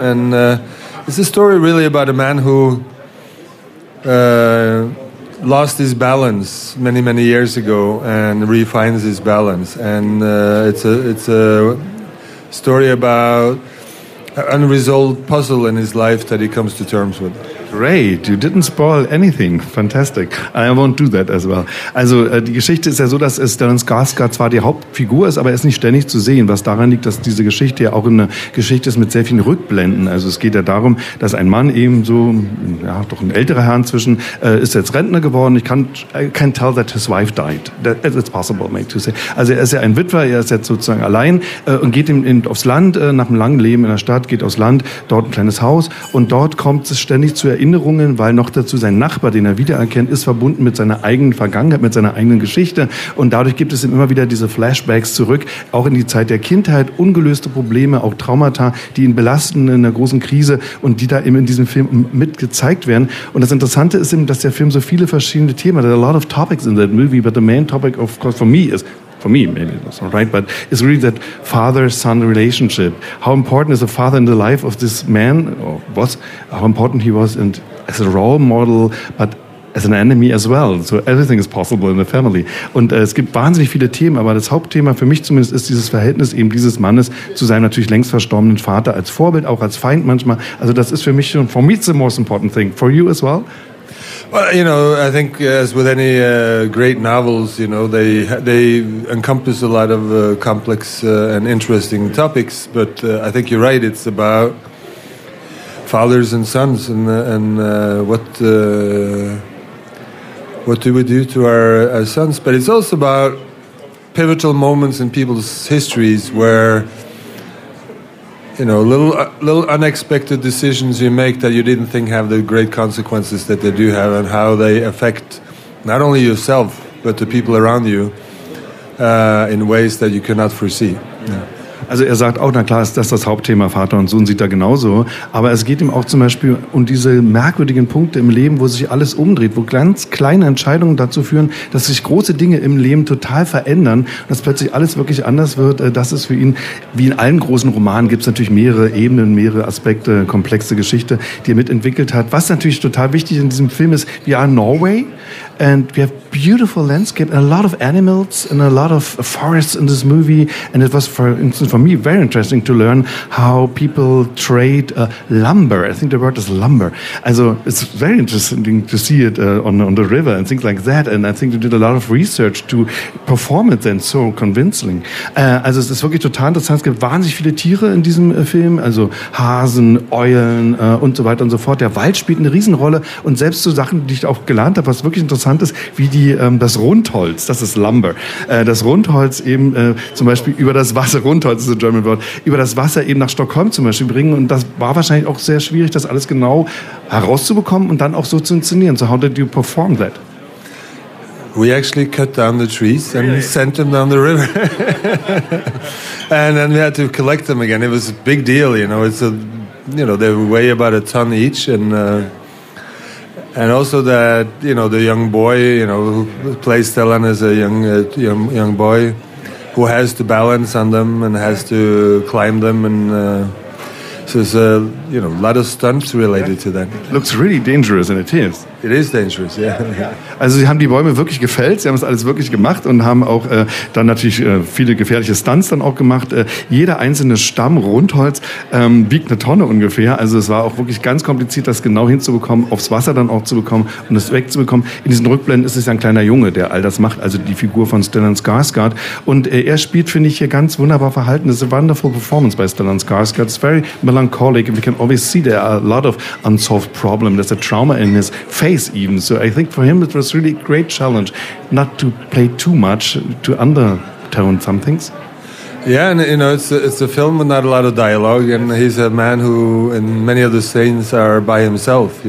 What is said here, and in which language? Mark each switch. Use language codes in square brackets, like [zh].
[en] And it's a story really about a man who lost his balance many, many years ago and refines his balance. And it's a story about an unresolved puzzle in his life that he comes to terms with. Great, you didn't spoil anything. Fantastic. I won't do that as well. [de] Also, die Geschichte ist ja so, dass Stellan Skarsgård zwar die Hauptfigur ist, aber er ist nicht ständig zu sehen, was daran liegt, dass diese Geschichte ja auch eine Geschichte ist mit sehr vielen Rückblenden. Also es geht ja darum, dass ein Mann eben so, ja, doch ein älterer Herr inzwischen, ist jetzt Rentner geworden. [en] I can't tell that his wife died. That it's possible, maybe to say. [de] Also er ist ja ein Witwer, er ist jetzt sozusagen allein und geht aufs Land, nach einem langen Leben in der Stadt, geht aufs Land, dort ein kleines Haus und dort kommt es ständig zu Erinnerungen, weil noch dazu sein Nachbar, den er wiedererkennt, ist verbunden mit seiner eigenen Vergangenheit, mit seiner eigenen Geschichte. Und dadurch gibt es ihm immer wieder diese Flashbacks zurück, auch in die Zeit der Kindheit, ungelöste Probleme, auch Traumata, die ihn belasten in der großen Krise und die da eben in diesem Film mitgezeigt werden. Und das Interessante ist eben, dass der Film so viele verschiedene Themen hat. [en] There are a lot of topics in that movie, but the main topic, of course, for me is, for me, maybe that's not right, but it's really that father-son relationship. How important is a father in the life of this man, or was, how important he was, and as a role model, but as an enemy as well. So everything is possible in the family. [de] Und es gibt wahnsinnig viele Themen, aber das Hauptthema für mich zumindest ist dieses Verhältnis eben dieses Mannes zu seinem natürlich längst verstorbenen Vater als Vorbild, auch als Feind manchmal. Also das ist für mich schon, [en] for me it's the most important thing. For you as well? Well, you know, I think as with any great novels, you know, they encompass a lot of complex and interesting topics. But I think you're right; it's about fathers and sons, and what do we do to our sons? But it's also about pivotal moments in people's histories where, you know, little unexpected decisions you make that you didn't think have the great consequences that they do have, and how they affect not only yourself, but the people around you in ways that you cannot foresee. Yeah. [de] Also er sagt auch, na klar, ist das das Hauptthema, Vater und Sohn sieht da genauso. Aber es geht ihm auch zum Beispiel um diese merkwürdigen Punkte im Leben, wo sich alles umdreht, wo ganz kleine Entscheidungen dazu führen, dass sich große Dinge im Leben total verändern, dass plötzlich alles wirklich anders wird. Das ist für ihn, wie in allen großen Romanen, gibt es natürlich mehrere Ebenen, mehrere Aspekte, komplexe Geschichte, die er mitentwickelt hat. Was natürlich total wichtig in diesem Film ist, wir sind in Norway. [en] And we have beautiful landscape and a lot of animals and a lot of forests in this movie. And it was, for instance, for me, very interesting to learn how people trade lumber. I think the word is lumber. Also, it's very interesting to see it on the river and things like that. And I think they did a lot of research to perform it then so convincingly. [de] Also, es ist wirklich total interessant. Es gibt wahnsinnig viele Tiere in diesem Film. Also, Hasen, Eulen und so weiter und so fort. Der Wald spielt eine Riesenrolle. Und selbst so Sachen, die ich auch gelernt habe, was wirklich interessant ist, wie die, das Rundholz, das ist Lumber, das Rundholz eben zum Beispiel über das Wasser, Rundholz ist ein [en] German Word, [de] über das Wasser eben nach Stockholm zum Beispiel bringen, und das war wahrscheinlich auch sehr schwierig, das alles genau herauszubekommen und dann auch so zu inszenieren. [en] So how did you perform that? We actually cut down the trees and sent them down the river. And then we had to collect them again. It was a big deal, you know. It's a, you know, they weigh about a ton each, and and also that, you know, the young boy, you know, who plays Stellan as a young boy who has to balance on them and has to climb them. And so there's a, you know, lot of stunts related to that. Looks really dangerous, and it is. It is dangerous, yeah. [de] Also sie haben die Bäume wirklich gefällt, sie haben es alles wirklich gemacht und haben auch dann natürlich viele gefährliche Stunts dann auch gemacht. Jeder einzelne Stamm Rundholz wiegt eine Tonne ungefähr. Also es war auch wirklich ganz kompliziert, das genau hinzubekommen, aufs Wasser dann auch zu bekommen und es wegzubekommen. In diesen Rückblenden ist es ein kleiner Junge, der all das macht, also die Figur von Stellan Skarsgård. Und er spielt, finde ich, hier ganz wunderbar verhalten. [en] It's a wonderful performance by Stellan Skarsgård. It's very melancholic and we can always see there are a lot of unsolved problems. There's a trauma in his face even. So I think for him it was really a great challenge not to play too much, to undertone some things. Yeah, and you know, it's a film with not a lot of dialogue, and he's a man who in many of the scenes are by himself.